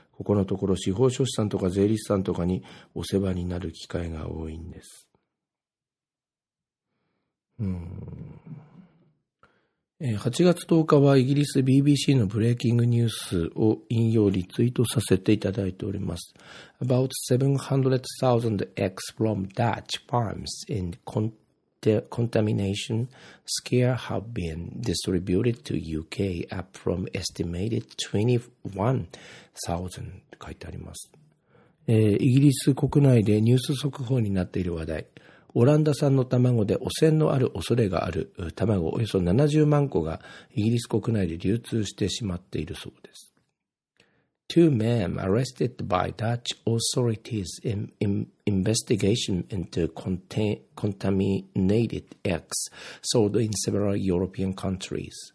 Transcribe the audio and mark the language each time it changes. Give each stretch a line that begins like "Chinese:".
Japanese: ここのところ司法書士さんとか税理士さんとかにお世話になる機会が多いんです。 8月10日はイギリス BBC のブレイキングニュースを引用リツイートさせていただいております。
English: About 700,000 eggs from Dutch farms in contamination scare have been distributed to UK up from estimated 21,000
Japanese: と書いてあります。イギリス国内でニュース速報になっている話題。オランダ産の卵で汚染のある恐れがある卵およそ70万個がイギリス国内で流通してしまっているそうです。
English: Two men arrested by Dutch authorities in investigation into contaminated eggs sold in several European countries.